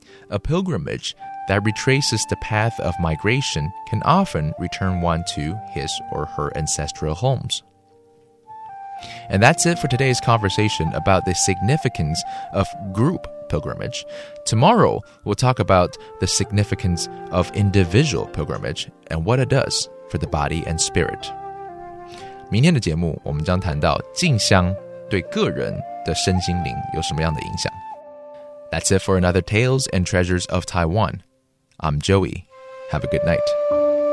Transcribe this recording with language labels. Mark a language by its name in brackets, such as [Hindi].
[English] A pilgrimage that retraces the path of migration can often return one to his or her ancestral homes. And that's it for today's conversation about the significance of group pilgrimage. Tomorrow, we'll talk about the significance of individual pilgrimage and what it does for the body and spirit. [Chinese] 明天的节目，我们将谈到进香对个人的身心灵有什么样的影响。 [English] That's it for another Tales and Treasures of Taiwan. I'm Joey. Have a good night.